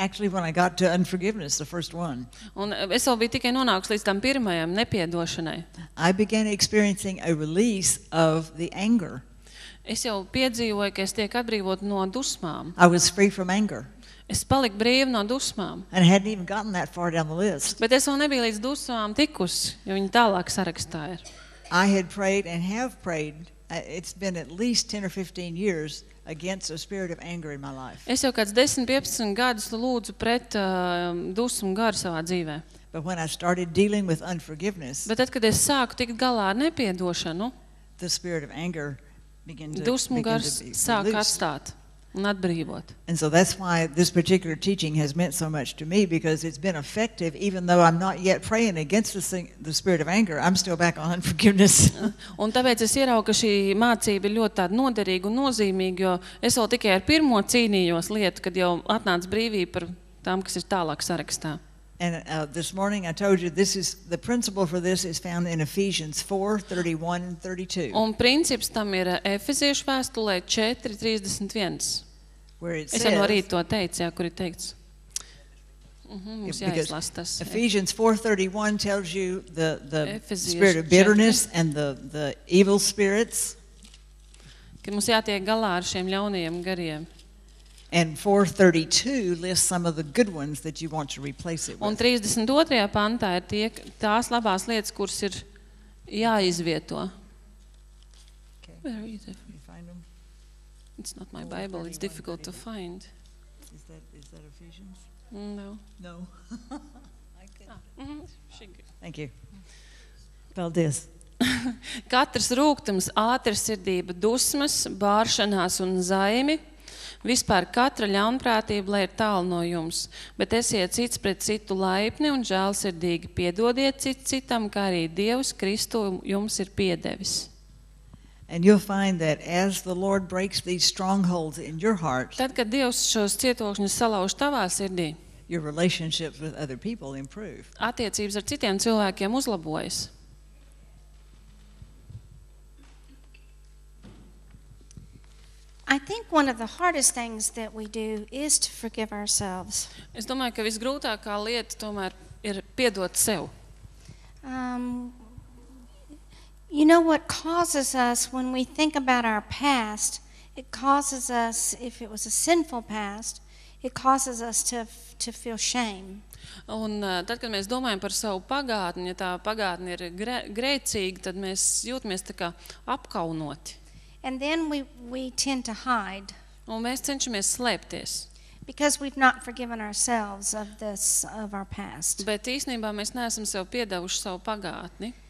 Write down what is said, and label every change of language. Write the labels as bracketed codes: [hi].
[en] when I got to unforgiveness, the first one, [lv] un es vēl biju tikai nonākusi līdz tam pirmajam, nepiedošanai, [en] I began experiencing a release of the anger. [lv] Es jau piedzīvoju, ka es tiek atbrīvot no dusmām. [en] I was free from anger. [lv] Es paliku brīvi no dusmām. [en] And I hadn't even gotten that far down the list. [lv] Bet es vēl nebiju līdz dusmām tikusi, jo viņi tālāk sarakstā ir. [en] I had prayed and have prayed, it's been at least 10 or 15 years, against a spirit of anger in my life. [lv] Es jau kāds 10-15 gadus lūdzu pret dusmu garu savā dzīvē. [en] But when I started dealing with unforgiveness, [lv] bet tad, kad es sāku tikt galā ar nepiedošanu, [en] the spirit of anger began to, [lv] dusmu gars [en] begin to be [lv] sāk [en] loose. [lv] Atstāt. Un atbrīvot. [en] And so that's why this particular teaching has meant so much to me, because it's been effective, even though I'm not yet praying against the spirit of anger, I'm still back on unforgiveness. [lv] Un tāpēc es ieraugu, ka šī mācība ir ļoti tāda noderīga un nozīmīga, jo es vēl tikai ar pirmo cīnījos lietu, kad jau atnāca brīvība par tām, kas ir tālāk sarakstā. [en] And this morning I told you this is the principle for this is found in Ephesians 4:31-32. [lv] Un princips tam ir Efeziešu vēstulē 4:31. [en] Where it [lv] es [en] says. [lv] Es no rīta to teicu, jā, kur ir teikts. Mhm, jāizlasa tas. [en] Ephesians 4:31 tells you the spirit of bitterness 4. And the evil spirits. [lv] Kad mums jātiek galā ar šiem ļaunajiem gariem. [en] And 4:32 lists some of the good ones that you want to replace it with. [lv] Un 32. Pantā ir tie, tās labās lietas, kuras ir jāizvieto. [en] Okay. Where is it? You find them? It's not my Bible. It's difficult to find. Is that Ephesians? No. I can. Mm-hmm. Thank you. Paldies. [lv] Katrs rūgtums, ātrsirdība, dusmas, bāršanās un zaimi. Vispār katra ļaunprātība, lai ir tālu no jums, bet esiet cits pret citu laipni un žēlsirdīgi piedodiet cits citam, kā arī Dievs Kristu jums ir piedevis. [en] And you'll find that as the Lord breaks these strongholds in your heart, [lv] tad, kad Dievs šos cietokšņus salauž tavā sirdī, [en] your relationships with other people improve. [lv] Attiecības ar citiem cilvēkiem uzlabojas. [en] I think one of the hardest things that we do is to forgive ourselves. [lv] Es domāju, ka visgrūtākā lieta tomēr ir piedot sev. [en] You know what causes us when we think about our past? It causes us, if it was a sinful past, it causes us to feel shame. [lv] Un tad, kad mēs domājam par savu pagātni, ja tā pagātne ir grēcīga, tad mēs jūtamies tā kā apkaunoti. [en] And then we tend to hide. [lv] Un mēs cenšamies slēpties. [en] Because we've not forgiven ourselves of this of our past. [lv] Bet īstenībā mēs neesam sev piedevuši savu pagātni.